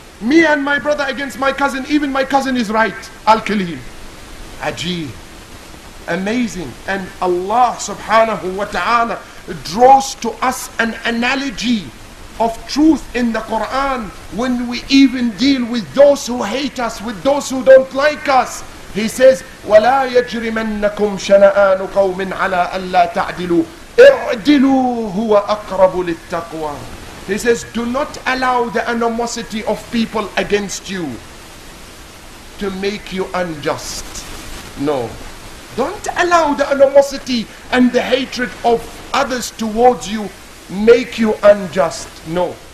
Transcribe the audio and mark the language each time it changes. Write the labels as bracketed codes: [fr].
[en] Me and my brother against my cousin, even my cousin is right. I'll kill him. Ajee. Amazing. And Allah subhanahu wa ta'ala draws to us an analogy of truth in the Quran when we even deal with those who hate us, with those who don't like us. He says, [ar] وَلَا يَجْرِمَنَّكُمْ شَنَآنُ قَوْمٍ عَلَىٰ أَلَّا تَعْدِلُوا اِعْدِلُوا هُوَ أَقْرَبُ لِلتَّقْوَىٰ. [en] He says, do not allow the animosity of people against you to make you unjust. No. Don't allow the animosity and the hatred of others towards you make you unjust. No.